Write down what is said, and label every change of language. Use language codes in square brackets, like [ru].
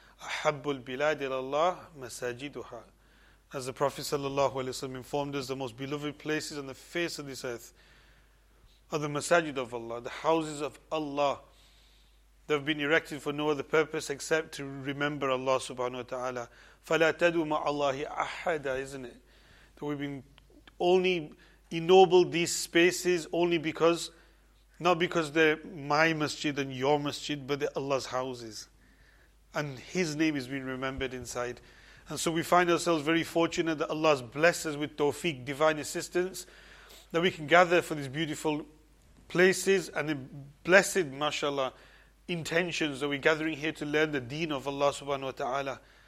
[ar] أَحَبُّ الْبِلَادِ لَاللَّهِ مَسَاجِدُهَا. [en] As the Prophet sallallahu alaihi wasallam informed us, the most beloved places on the face of this earth are the masajid of Allah, the houses of Allah. They have been erected for no other purpose except to remember Allah subhanahu wa ta'ala. [ar] فَلَا تَدُوا مَعَ اللَّهِ أَحَدًا, [en] isn't it? That we've been only ennobled these spaces only because, not because they're my masjid and your masjid, but they're Allah's houses. And His name is being remembered inside. And so we find ourselves very fortunate that Allah has blessed us with tawfiq, divine assistance, that we can gather for these beautiful places and the blessed, mashallah, intentions that we're gathering here to learn the deen of Allah subhanahu wa ta'ala.